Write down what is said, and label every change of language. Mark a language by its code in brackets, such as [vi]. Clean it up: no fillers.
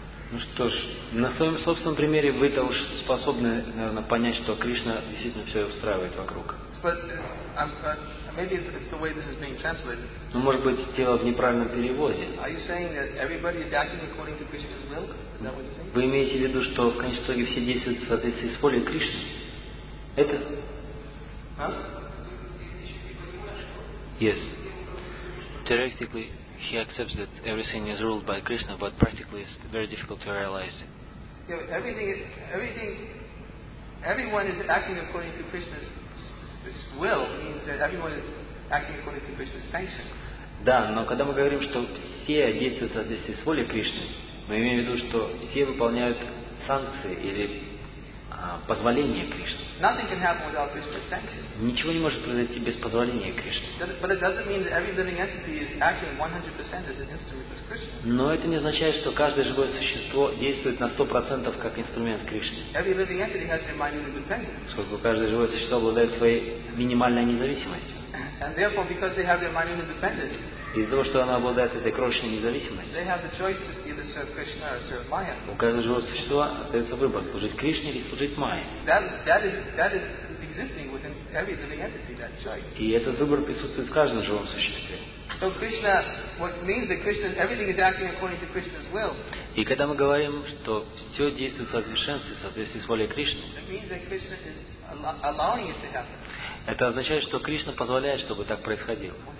[ru] Ну что ж, на своем собственном примере вы-то уж способны, наверное, понять, что Кришна действительно все устраивает вокруг. [en] But maybe it's the way this is being translated. [ru] Ну, может быть, дело в неправильном переводе. [en] Are you saying that everybody is acting according to Krishna's will? Is that what you're saying? [ru] Вы имеете в виду, что в конечном итоге все действуют в соответствии с волей Кришны? Это? Huh? [en] Yes. Theoretically, he accepts that everything is ruled by Krishna, but practically, it's very difficult to realize. Yeah, everyone is acting according to Krishna's will means that everyone is acting according to Krishna's sanction. [ru] Да, но когда мы говорим, что все действуют в соответствии с волей Кришны, мы имеем в виду, что все выполняют санкции или позволение Кришны. [en] Nothing can happen without Krishna's sanction. [ru] Ничего не может произойти без позволения Кришны. [en] But it doesn't mean that every living entity is acting 100% as an instrument of Krishna. [ru] Но это не означает, что каждое живое существо действует на 100% как инструмент Кришны. [en] Every living entity has their mind independence. [ru] Сколько каждое живое существо обладает своей минимальной независимостью. [en] And therefore, because they have their mind independence. [ru] Из-за того, что она обладает этой крошечной независимостью, [en] they have the choice to either serve Krishna or serve Maya. [ru] У каждого живого существа остается выбор, служить Кришне или служить Майе. [en] That is existing within every living entity, that choice. [ru] И этот выбор присутствует в каждом живом существе. [en] So Krishna, what means that Krishna, everything is acting according to Krishna's will. [ru] И когда мы говорим, что все действует в совершенстве, в соответствии с волей Кришны, [en] it means that Krishna is allowing it to happen. [ru] Это означает, что Кришна позволяет, чтобы так происходило.